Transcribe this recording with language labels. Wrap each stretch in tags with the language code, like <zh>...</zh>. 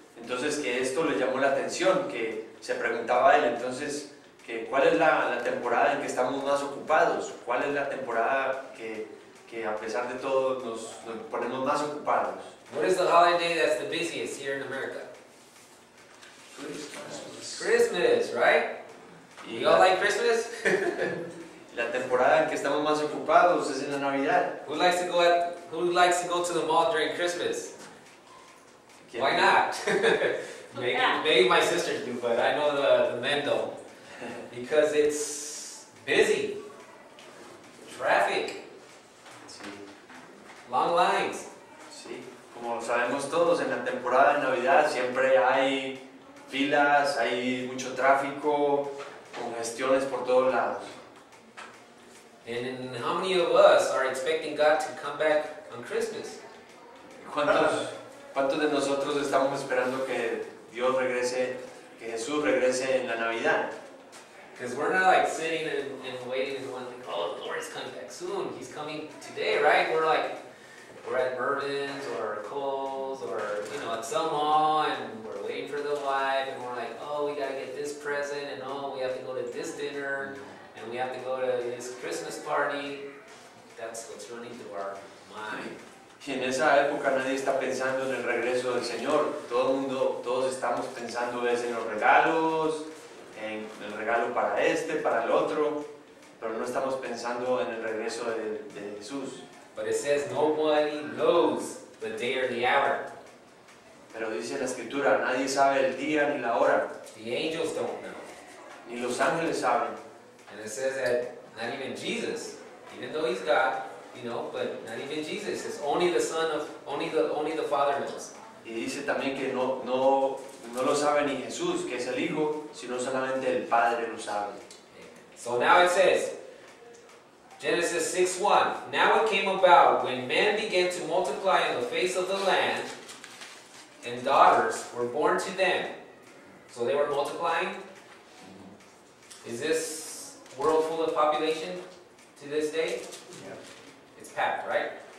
<es>Entonces que esto le llamó la atención, que se preguntaba él entonces que cuál es la temporada en que estamos más ocupados, cuál es la temporada que a pesar de todo nos ponemos más ocupados.</es> <en>What is the holiday that's the busiest here in America? Christmas, right? You all like Christmas?</en> <es>La temporada en que estamos más ocupados es en la Navidad.</es> <en>Who likes to go to the mall during Christmas? Why not? maybe my sisters do, but I know the men don't. Because it's busy. Traffic.</en> <es>Sí.</es> <en>Long lines.</en> <es>Sí. Como sabemos todos, en la temporada de Navidad siempre hay filas, hay mucho tráfico, congestiones por todos lados.</es> <en>And how many of us are expecting God to come back on Christmas?</en> <es>¿Cuántos de nosotros estamos esperando que Dios regrese, que Jesús regrese en la Navidad?</es> <en>Because we're not like sitting and waiting and going like, oh, the Lord is coming back soon. He's coming today, right? We're like, we're at Mervyn's or Kohl's or, you know, at some mall and we're waiting for the wife and we're like, oh, we got to get this present and oh, we have to go to this dinner and we have to go to this Christmas party. That's what's running through our mind.</en> <es>Y en esa época nadie está pensando en el regreso del Señor. Todos estamos pensando en los regalos, en el regalo para este, para el otro, pero no estamos pensando en el regreso de Jesús.</es> <en>But it says nobody knows the day or the hour.</en> <es>Pero dice la Escritura, nadie sabe el día ni la hora.</es> <en>The angels don't know.</en> <es>Ni los ángeles saben.</es> <en>And it says that not even Jesus, even though he's God, you know, but not even Jesus. It's only the Son of only the Father knows.</en> <es>Y dice también que no lo sabe ni Jesús, que es el Hijo, sino solamente el Padre lo sabe.</es> <en>So now it says, Genesis 6:1. Now it came about when men began to multiply in the face of the land, and daughters were born to them. So they were multiplying. Is this world full of population to this day? Packed, right?</en>